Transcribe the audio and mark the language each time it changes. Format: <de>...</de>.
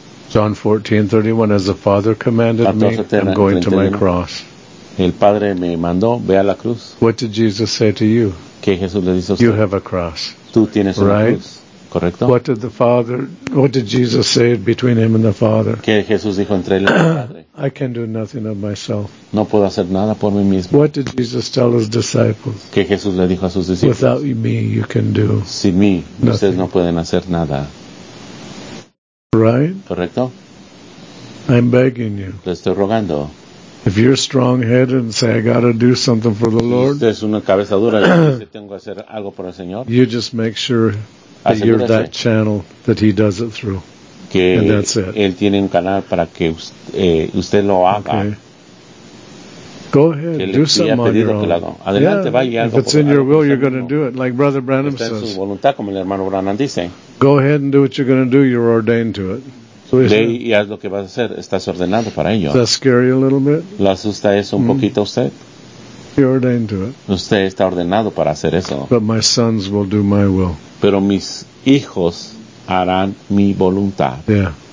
<en>John 14:31, as the father commanded me, I'm going to my cross,</en> <es>el padre me mandó, ve a la cruz.</es> <en>What did Jesus say to you?</en> <es>¿Qué Jesús le dice a</es> <en>usted? You have a cross,</en> <es>tú tienes una</es> <en>right?</en> <es>cruz. Correcto.</es> <en>What did the father? What did Jesus say between him and the father?</en> <es>¿Qué Jesús dijo entre él y el padre?</es> <en>I can do nothing of myself.</en> <es>No puedo hacer nada por mí mismo.</es> <en>What did Jesus tell his disciples?</en> <es>¿Qué Jesús le dijo a sus discípulos?</es> <en>Without me, you can do.</en> <es>Sin mí, nothing. Ustedes no pueden hacer nada.</es> <en>Right.</en> <es>Correcto.</es> <en>I'm begging you.</en> <es>Le estoy rogando.</es> <en>If you're strong-headed and say, I got to do something for the Lord.</en> <es>Usted es una cabeza dura y dice, tengo que hacer algo por el Señor.</es> <en>You just make sure. That you're that channel that he does it through.</en> <es>Que</es> <en>and that's it.</en> <es>Él tiene un canal para que usted lo haga.</es> <en>Okay. Go ahead, do something on your own.</en> <es>Adelante,</es> <en>yeah.</en> <es>Vaya,</es> <en>if it's in your will, you're going to do it, like Brother Branham</en> <es>está</es> <en>says.</en> <es>En su voluntad, como el hermano Branham dice.</es> <en>Go ahead and do what you're going to do, you're ordained to it.</en> <es>Ve y haz lo que vas a hacer, estás ordenado para ello.</es> <en>Does that scare you a little bit?</en> <es>¿Lo asusta eso un poquito usted?</es> <en>You're ordained to it.</en> <es>Usted está ordenado para hacer eso.</es> <en>But my sons will do my will.</en> <es>Pero mis hijos harán mi voluntad.</es> <en>Yeah.</en>